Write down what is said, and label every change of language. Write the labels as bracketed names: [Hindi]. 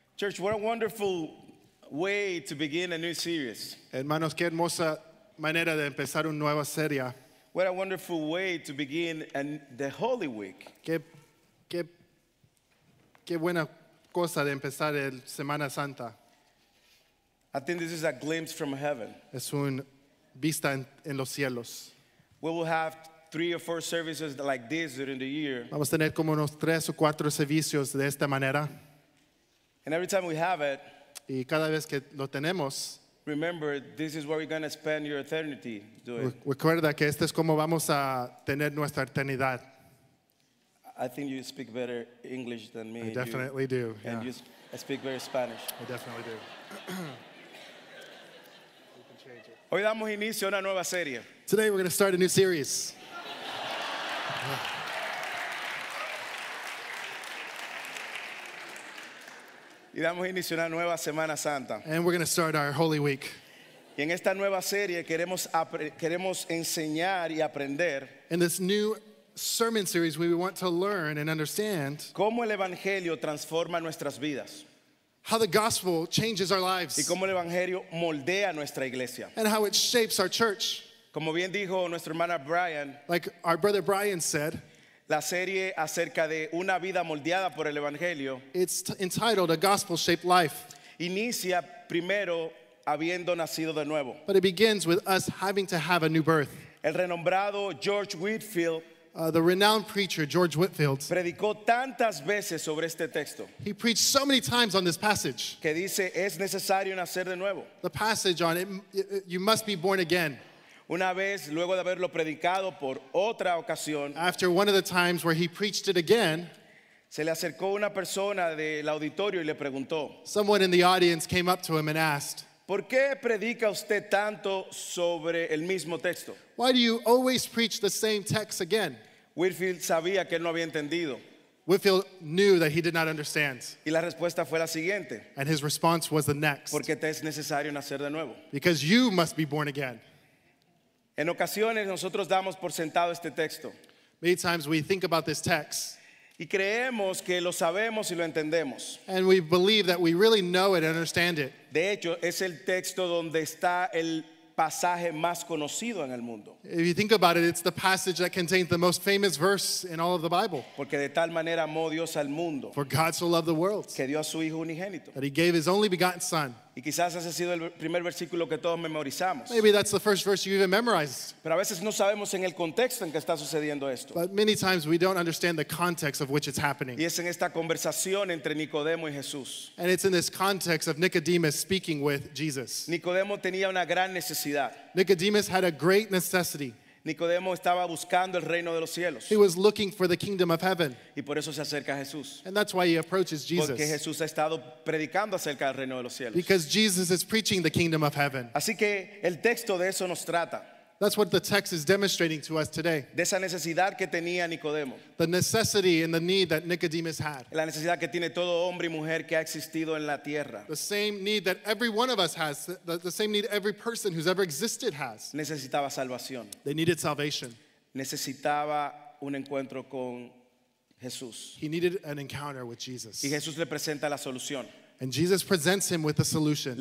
[English] Church, what a wonderful way to begin a new series. [Spanish] Hermanos, qué hermosa manera de empezar una nueva serie. [English] What a wonderful way to begin the Holy Week. [Spanish] Qué buena cosa de empezar el Semana Santa. [English] I think this is a glimpse from heaven. [Spanish] Es una vista en los cielos. [English] We will have 3 or 4 services like this during the year. [Spanish] Vamos a tener como unos 3 o 4 servicios de esta manera. [English] And every time we have it, [Spanish] y cada vez que lo tenemos, [English] remember this is where we're going to spend your eternity doing. [Spanish] Recuerda que este es como vamos a tener nuestra eternidad. [English] I think you speak better English than me. I definitely do. Yeah. And you speak better Spanish. I definitely do. [Spanish] Hoy damos inicio a una nueva serie. [English] Today we're going to start a new series. [Spanish] Y damos inicio a una nueva Semana Santa. [English] And we're going to start our Holy Week. [Spanish] Y en esta nueva serie queremos enseñar y aprender. [English] In this new sermon series, we want to learn and understand [Spanish] cómo el evangelio transforma nuestras vidas. [English] How the gospel changes our lives. [Spanish] Y cómo el evangelio moldea nuestra iglesia. [English] And how it shapes our church. [Spanish] Como bien dijo nuestro hermano Brian, [English] like our brother Brian said, [Spanish] la serie acerca de una vida moldeada por el evangelio. [English] It's entitled A Gospel-Shaped Life. [Spanish] Inicia primero habiendo nacido de nuevo. [English] But it begins with us having to have a new birth. [Spanish] El renombrado George Whitefield, [English] the renowned preacher George Whitefield, [Spanish] predicó tantas veces sobre este texto. [English] He preached so many times on this passage. [Spanish] Que dice es necesario nacer de nuevo. [English] The passage on it, you must be born again. [Spanish] Una vez, luego de haberlo predicado por otra ocasión, [English] after one of the times where he preached it again, [Spanish] se le acercó una persona del auditorio y le preguntó, [English] someone in the audience came up to him and asked, [Spanish] ¿por qué predica usted tanto sobre el mismo texto? [English] Why do you always preach the same text again? [Spanish] Whitefield sabía que él no había entendido. [English] Whitefield knew that he did not understand. [Spanish] Y la respuesta fue la siguiente. [English] And his response was the next. [Spanish] Porque te es necesario nacer de nuevo. [English] Because you must be born again. [Spanish] En ocasiones nosotros damos por sentado este texto. [English] Many times we think about this text. [Spanish] Y creemos que lo sabemos y lo entendemos. [English] And we believe that we really know it and understand it. [Spanish] De hecho, es el texto donde está el pasaje más conocido en el mundo. [English] If you think about it, it's the passage that contains the most famous verse in all of the Bible. [Spanish] Porque de tal manera amó Dios al mundo. [English] For God so loved the world. [Spanish] Que dio a su hijo unigénito. [English] That he gave his only begotten son. [Spanish] Y quizás ese ha sido el primer versículo que todos memorizamos. [English] Maybe that's the first verse you even memorized. [Spanish] Pero a veces no sabemos en el contexto en que está sucediendo esto. [English] But many times we don't understand the context of which it's happening. [Spanish] Y es en esta conversación entre Nicodemo y Jesús. [English] And it's in this context of Nicodemus speaking with Jesus. [Spanish] Nicodemo tenía una gran necesidad. [English] Nicodemus had a great necessity. [Spanish] Nicodemo estaba buscando el reino de los cielos. [English] He was looking for the kingdom of heaven. [Spanish] Y por eso se acerca a Jesús. [English] And that's why he approaches Jesus. [Spanish] Porque Jesús ha estado predicando acerca del reino de los cielos. [English] Because Jesus is preaching the kingdom of heaven. [Spanish] Así que el texto de eso nos trata. [English] That's what the text is demonstrating to us today. [Spanish] De esa necesidad que tenía Nicodemo. [English] The necessity and the need that Nicodemus had. [Spanish] La necesidad que tiene todo hombre y mujer que ha existido en la tierra. [English] The same need that every one of us has, the same need every person who's ever existed has. [Spanish] Necesitaba salvación. [English] They needed salvation. [Spanish] Necesitaba un encuentro con Jesús. [English] He needed an encounter with Jesus. [Spanish] Y Jesús le presenta la solución. [English] And Jesus presents him with a solution.